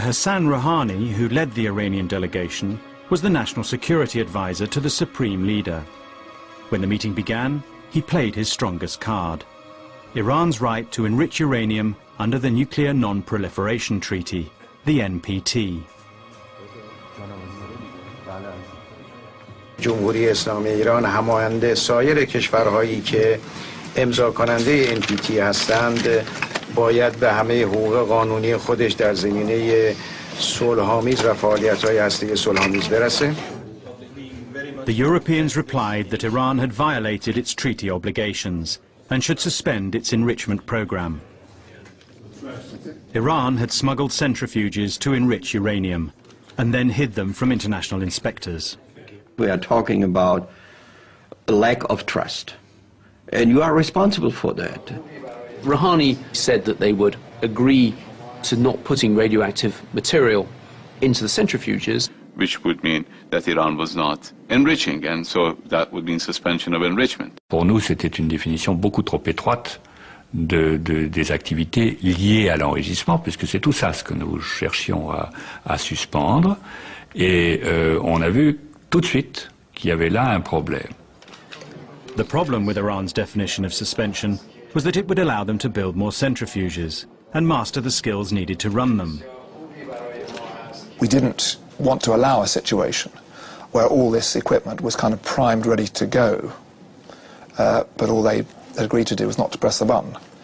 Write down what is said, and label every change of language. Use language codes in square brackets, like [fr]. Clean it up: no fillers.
[en] Hassan Rouhani, who led the Iranian delegation, was the national security advisor to the supreme leader. When the meeting began, he played his strongest card: Iran's right to enrich uranium under the Nuclear Non-Proliferation Treaty, the NPT. [fa] جمهوری اسلامی ایران هماهنده سایر کشورهایی که امضا کننده NPT هستند باید به همه حقوق قانونی خودش در زمینه صلح‌آمیز و فعالیت‌های هسته‌ای صلح‌آمیز برسه. [en] The Europeans replied that Iran had violated its treaty obligations and should suspend its enrichment program. Iran had smuggled centrifuges to enrich uranium and then hid them from international inspectors. We are talking about a lack of trust, and you are responsible for that. Rouhani said that they would agree to not putting radioactive material into the centrifuges. Which would mean that Iran was not enriching, and so that would mean suspension of enrichment. [fr] Pour nous, c'était une définition beaucoup trop étroite des activités liées à l'enrichissement, puisque c'est tout ça ce que nous cherchions à suspendre. Et on a vu tout de suite qu'il y avait là un problème. [en] The problem with Iran's definition of suspension was that it would allow them to build more centrifuges and master the skills needed to run them. We didn't want to allow a situation where all this equipment was kind of primed, ready to go, but all they had agreed to do was not to press the button.